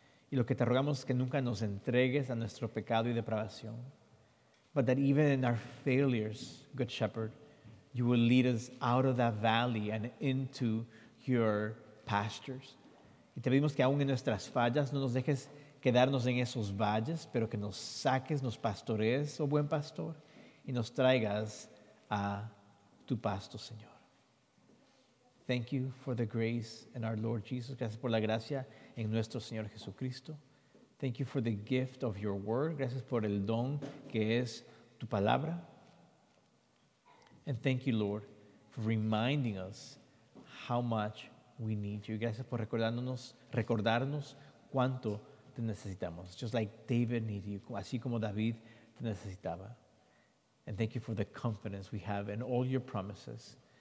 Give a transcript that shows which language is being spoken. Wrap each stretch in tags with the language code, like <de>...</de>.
<es>Y lo que te rogamos es que nunca nos entregues a nuestro pecado y depravación.</es> <en>But that even in our failures, Good Shepherd, you will lead us out of that valley and into your pastures.</en> <es>Y te pedimos que aún en nuestras fallas no nos dejes quedarnos en esos valles, pero que nos saques, nos pastorees, oh buen pastor, y nos traigas a tu pasto, Señor.</es> <en>Thank you for the grace in our Lord Jesus.</en> <es>Gracias por la gracia en nuestro Señor Jesucristo.</es> <en>Thank you for the gift of your word.</en> <es>Gracias por el don que es tu palabra.</es> <en>And thank you, Lord, for reminding us how much we need you.</en> <es>Gracias por recordarnos cuánto te necesitamos.</es> <en>Just like David needed you,</en> <es>así como David te necesitaba.</es> <en>And thank you for the confidence we have in all your promises.</en>